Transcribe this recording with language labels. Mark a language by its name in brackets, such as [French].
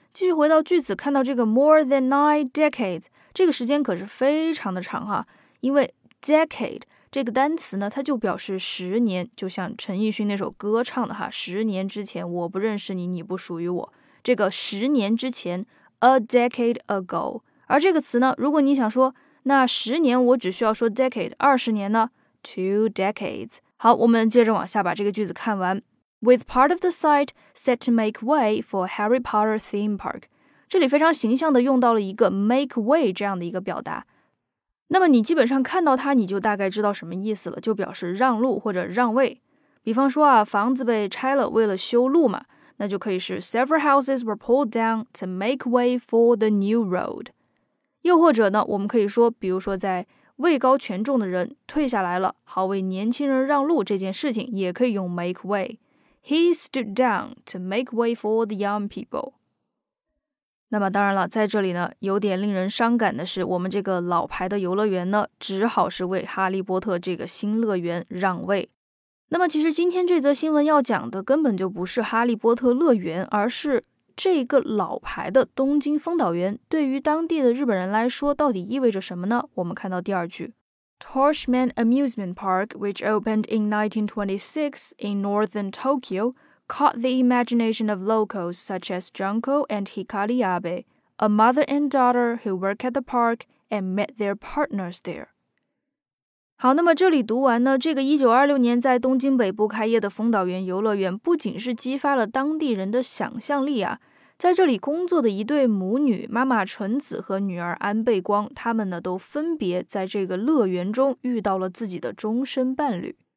[Chinese] 继续回到句子，看到这个 [English] more than 9 decades， [Chinese] 这个时间可是非常的长哈，因为 decade 这个单词呢它就表示十年，就像陈奕迅那首歌唱的哈，十年之前我不认识你，你不属于我，这个十年之前 [English] a decade ago。 [Chinese] 而这个词呢，如果你想说那十年我只需要说 decade， 20年呢 2 decades。好，我们接着往下把这个句子看完。 [English] With part of the site set to make way for Harry Potter theme park， [Chinese] 这里非常形象的用到了一个 [English] make way [Chinese] 这样的一个表达。那么你基本上看到它，你就大概知道什么意思了，就表示让路或者让位。比方说啊，房子被拆了，为了修路嘛，那就可以是 [English] several houses were pulled down to make way for the new road。 [Chinese] 又或者呢，我们可以说，比如说在位高权重的人退下来了，好为年轻人让路这件事情也可以用 make way。 [English] He stood down to make way for the young people。 [Chinese] 那么当然了，在这里呢有点令人伤感的是，我们这个老牌的游乐园呢只好是为哈利波特这个新乐园让位。那么其实今天这则新闻要讲的根本就不是哈利波特乐园，而是这个老牌的东京丰岛园对于当地的日本人来说到底意味着什么呢？我们看到第二句 [English] Torchman Amusement Park, which opened in 1926 in northern Tokyo, caught the imagination of locals such as Junko and Hikari Abe, a mother and daughter who work at the park and met their partners there. [Chinese] 好，那么这里读完呢，这个1926年在东京北部开业的丰岛园游乐园不仅是激发了当地人的想象力啊，在这里工作的一对母女，妈妈纯子和女儿安倍光，他们呢都分别在这个乐园中遇到了自己的终身伴侣，